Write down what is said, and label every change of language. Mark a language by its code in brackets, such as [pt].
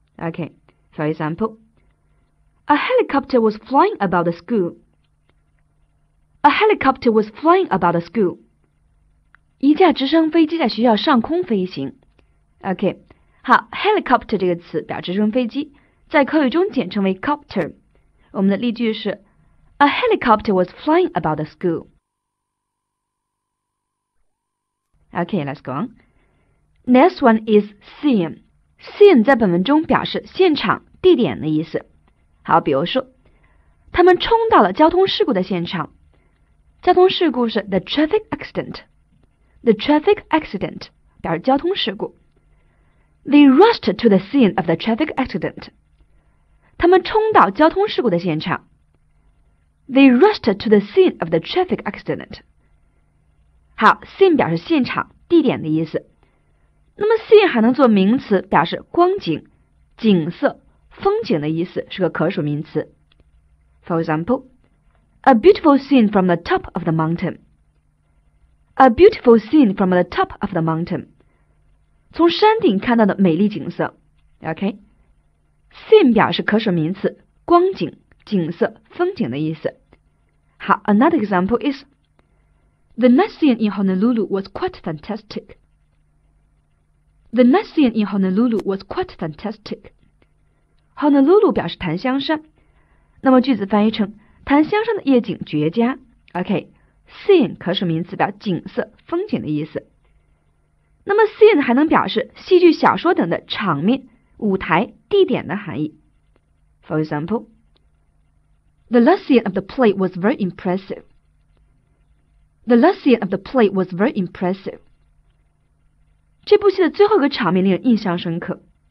[en] Okay, for example, a helicopter was flying about the school. A helicopter was flying about the school. [zh] 一架直升飞机在学校上空飞行。 OK, 好 ,helicopter 这个词表直升飞机在口语中简称为 copter。我们的例句是 [en] ,A helicopter was flying about the school. OK, let's go on. Next one is scene. [zh] Scene 在本文中表示现场、地点的意思。好，比如说他们冲到了交通事故的现场。交通事故是 [en] the traffic accident. The traffic accident, [zh] 表示交通事故。 [en] They rushed to the scene of the traffic accident. [zh] 他们冲到交通事故的现场。 [en] They rushed to the scene of the traffic accident. [zh] 好 ,scene 表示现场、地点的意思。那么 scene 还能做名词表示光景、景色、风景的意思，是个可数名词。 [en] For example, a beautiful scene from the top of the mountain. A beautiful scene from the top of the mountain. [zh] 从山顶看到的美丽景色 ,OK? Scene 表示可数名词光景、景色、风景的意思。 [en] 好 ,another example is, The night scene in Honolulu was quite fantastic. The night scene in Honolulu was quite fantastic. [zh] Honolulu 表示檀香山。那么句子翻译成檀香山的夜景绝佳 ,OK? Scene 可数名词表景色、风景的意思。那么 scene 还能表示戏剧、小说等的场面、舞台、地点的含义。 [en] For example, The last scene of the play was very impressive. The last scene of the play was very impressive. [zh] 这部戏的最后一个场面令人印象深刻。